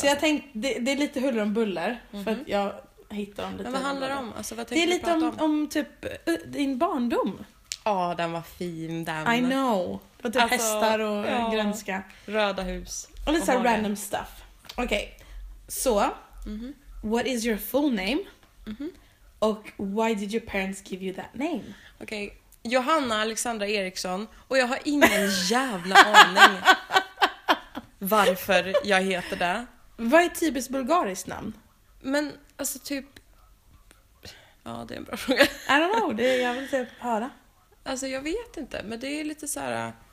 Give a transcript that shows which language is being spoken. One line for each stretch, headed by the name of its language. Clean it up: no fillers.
Swedish: Så jag tänkte det är lite huller om buller för att jag hittar dem lite. Men vad handlar det om? Alltså, vad det är lite om typ din barndom. Ja, oh, den var fin den.
English: I know.
Swedish: Typ alltså, hästar och grönska, röda hus och lite så
English: random stuff. Okej. Okay. Så, what is your full name? Och why did your parents give you that name?
Swedish: Okej. Okay. Johanna Alexandra Eriksson. Och jag har ingen jävla aning varför jag heter det. Vad är typiskt bulgariskt namn? Men alltså typ... Ja, det är en bra fråga.
English: I don't know,
Swedish: det är, jag vill typ höra. Alltså jag vet inte, men det är lite så här.